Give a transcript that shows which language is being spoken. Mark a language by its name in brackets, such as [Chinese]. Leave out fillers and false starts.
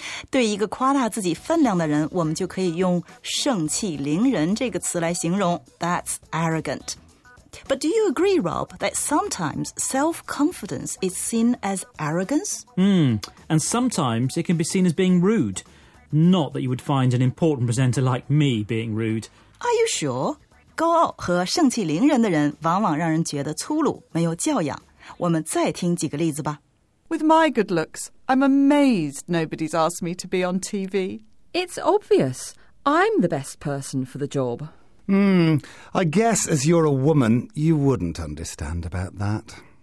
[Chinese] 对一个夸大自己分量的人，我们就可以用盛气凌人这个词来形容。 [English] That's arrogant. But do you agree, Rob, that sometimes self-confidence is seen as arrogance? And sometimes it can be seen as being rude. Not that you would find an important presenter like me being rude. Are you sure? [Chinese] 高傲和盛气凌人的人往往让人觉得粗鲁，没有教养。我们再听几个例子吧。 [English] With my good looks, I'm amazed nobody's asked me to be on TV. It's obvious. I'm the best person for the job. I guess as you're a woman, you wouldn't understand about that.